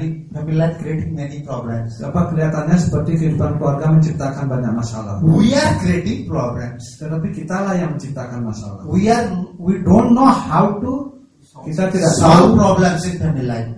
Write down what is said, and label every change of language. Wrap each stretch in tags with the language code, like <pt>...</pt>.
<en>Family life creating many problems.</en> <id>Apa kelihatannya seperti kehidupan keluarga menciptakan banyak masalah.</id> <en>We are creating problems.</en> <id>Tetapi kita lah yang menciptakan masalah.</id> <en>We don't know how to.</en> <id>Kita tidak</id> <en>solve problems in family life.</en>